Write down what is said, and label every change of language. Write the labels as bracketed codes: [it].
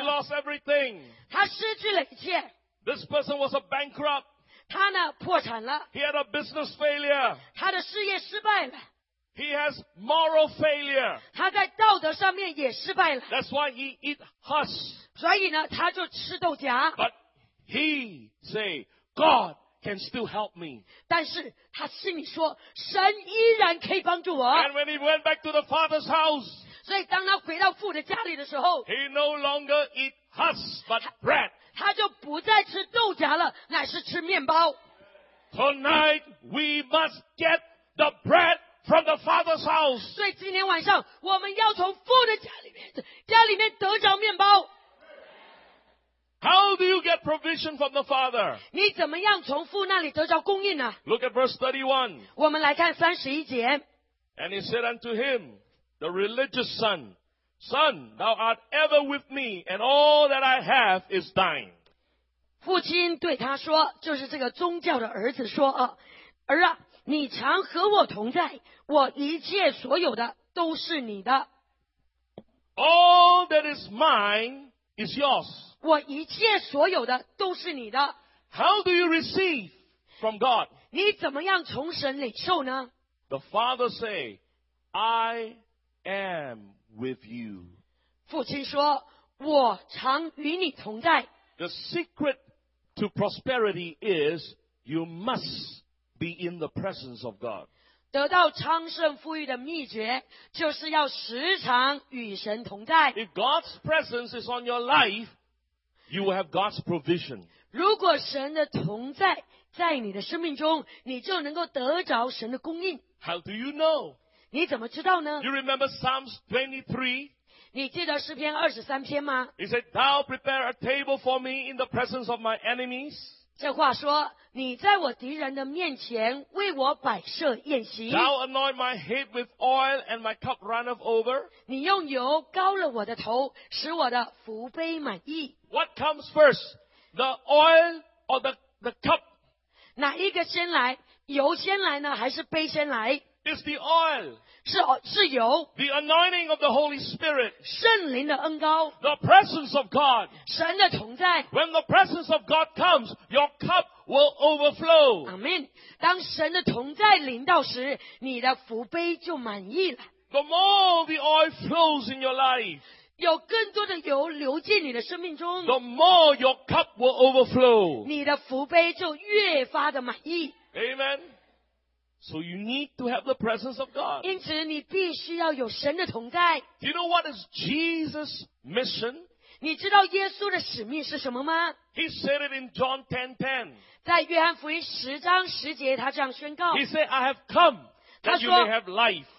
[en] He lost everything. [zh] 他失去了一切。 [en] This person was a bankrupt. [zh] 他呢破产了。 [en] He had a business failure. [zh] 他的事业失败了。 [en] He has moral failure. [zh] 他在道德上面也失败了。 [en] That's why he eat husks. [zh] 所以呢，他就吃豆荚。 [en] But he say, God can still help me. [zh] 但是他心里说，神依然可以帮助我。 [en] And when he went back to the father's house, [zh] 所以当他回到父的家里的时候， [en] he no longer eat husks but bread. [zh] 他就不再吃豆荚了，乃是吃面包。 [en] Tonight we must get the bread. From the Father's house. [zh] 所以今天晚上我们要从父的家里面得着面包。 [en] How do you get provision from the Father? [zh] 你怎么样从父那里得着供应呢？ [en] Look at verse 31. [zh] 我们来看31节。 [en] And he said unto him, the religious son, Son, thou art ever with me, and all that I have is thine. [zh] 父亲对他说，就是这个宗教的儿子说，儿啊，你常和我同在，我一切所有的都是你的。 [en] All that is mine is yours. [zh] 我一切所有的都是你的。 [en] How do you receive from God? [zh] 你怎么样从神领受呢？ [en] The Father say, I am with you. [zh] 父亲说，我常与你同在。 [en] The secret to prosperity is you must be in the presence of God. [zh] 得到昌盛富裕的秘诀就是要时常与神同在。 [en] If God's presence is on your life, you will have God's provision. [zh] 如果神的同在在你的生命中，你就能够得着神的供应。 [en] How do you know? [zh] 你怎么知道呢？ [en] You remember Psalms 23? [zh] 你记得诗篇二十三篇吗？ [en] He said, Thou prepare a table for me in the presence of my enemies. [zh] 这话说，你在我敌人的面前为我摆设宴席。 [en] Thou anoint my head with oil and my cup runneth over. [zh] 你用油膏了我的头，使我的福杯满溢。 [en] What comes first, the oil or the cup? [zh] 哪一个先来？油先来呢，还是杯先来？ [en] It's the oil. [zh] 是油。 [en] The anointing of the Holy Spirit. [zh] 圣灵的恩膏。 [en] The presence of God. [zh] 神的同在。 [en] When the presence of God comes, your cup will overflow. Amen. [zh] 当神的同在临到时，你的福杯就满溢了。 [en] The more the oil flows in your life. [zh] 有更多的油流进你的生命中。 [en] The more your cup will overflow. [zh] 你的福杯就越发的满溢。 [en] Amen. So you need to have the presence of God. [zh] 因此你必须要有神的同在。 [en] Do you know what is Jesus' mission? [zh] 你知道耶稣的使命是什么吗？ [en] He said it in John 10:10. [zh] 在约翰福音十章十节他这样宣告。 [en] He said, I have come that you may have life.